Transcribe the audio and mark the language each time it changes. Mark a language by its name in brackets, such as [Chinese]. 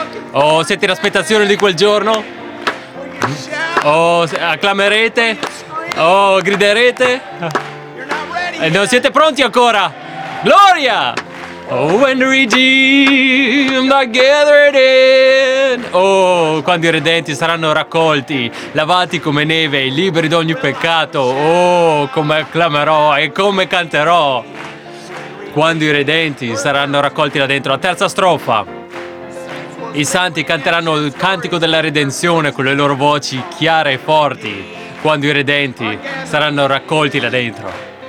[Italian] Oh, siete in aspettazione di quel giorno? Oh, acclamerete? Oh, griderete? E non siete pronti ancora? Gloria! [English] Oh, when the redeemed are gathered in. [Italian] Oh, quando i redenti saranno raccolti, lavati come neve e liberi da ogni peccato. Oh, come acclamerò e come canterò quando i redenti saranno raccolti là dentro. La terza strofa. I santi canteranno il cantico della redenzione con le loro voci chiare e forti quando i redenti saranno raccolti là dentro.